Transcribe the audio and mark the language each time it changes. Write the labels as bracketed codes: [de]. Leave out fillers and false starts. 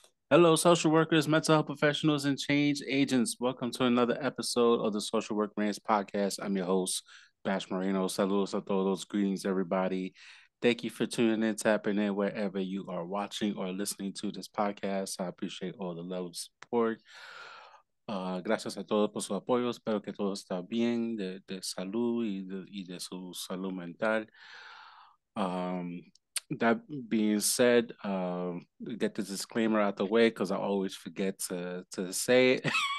[en] Hello, social workers, mental health professionals, and change agents. Welcome to another episode of the Social Work Rants Podcast. I'm your host, Bash Moreno. [es] Saludos a todos. [en] Greetings, everybody. Thank you for tuning in, tapping in wherever you are watching or listening to this podcast. I appreciate all the love and support. [es] Gracias a todos por su apoyo. Espero que todo está bien de salud y de su salud mental. [en] That being said, get the disclaimer out the way because I always forget to say it.